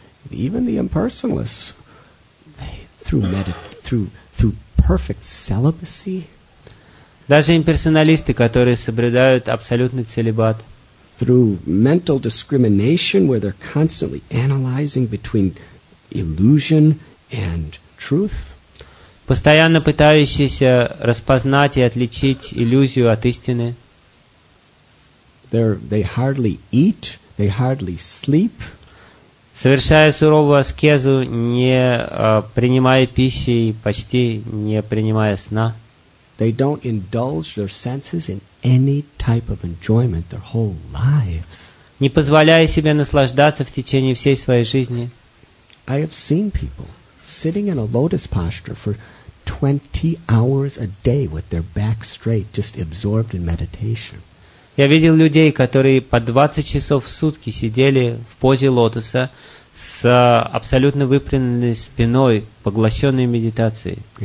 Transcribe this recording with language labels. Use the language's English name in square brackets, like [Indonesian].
[English] Even the impersonalists, through perfect celibacy. [Russian] Даже имперсоналисты, которые соблюдают абсолютный целибат. [English] Through mental discrimination, where they're constantly analyzing between illusion and truth. [Russian] Постоянно пытающиеся распознать и отличить иллюзию от истины. [English] They hardly eat. They hardly sleep. [Russian] Совершая суровую аскезу, не принимая пищи и почти не принимая сна. [English] They don't indulge their senses in any type of enjoyment their whole lives. [Russian] Не позволяя себе наслаждаться в течение всей своей жизни. [English] I have seen people sitting in a lotus posture for 20 hours a day with their back straight, just absorbed in meditation. [Russian] Я видел людей, которые по 20 часов в сутки сидели в позе лотоса с абсолютно выпрямленной спиной, поглощенной медитацией.